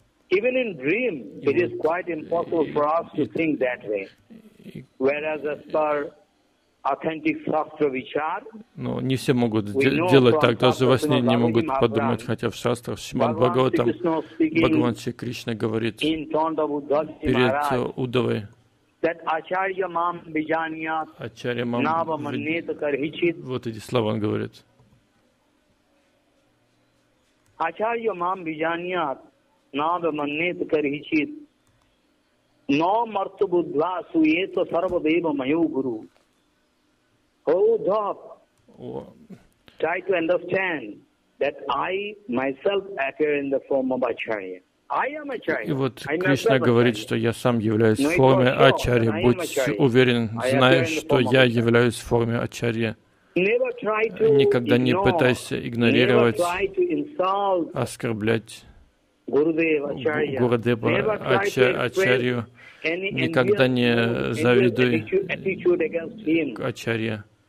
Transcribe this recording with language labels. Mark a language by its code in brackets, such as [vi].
[en] Even in dream, it is quite impossible for us to think that way. Whereas as per authentic Shastra Vichar, [ru] но не все могут делать так, даже во сне не могут подумать, хотя в шастрах Шримад Бхагаватам Бхагаван Шри Кришна говорит перед Удавой, [sa] that Acharya Mam Bijaniyat Nava Manet Karhichit. [ru] Вот эти слова он говорит. [sa] Acharya Mam Bijaniyat Nāva manneta karhichit Nā martu buddhvā suyeta sarva deva mayo guru. [en] O Dhab, try to understand that I myself appear in the form of Acharya. [ru] И вот Кришна говорит, что я сам являюсь в форме Ачарьи. Будь уверен, знай, что я являюсь в форме Ачарьи. Никогда не пытайся игнорировать, оскорблять Гурудева, Ачарью, никогда не завидуй к Ачарье.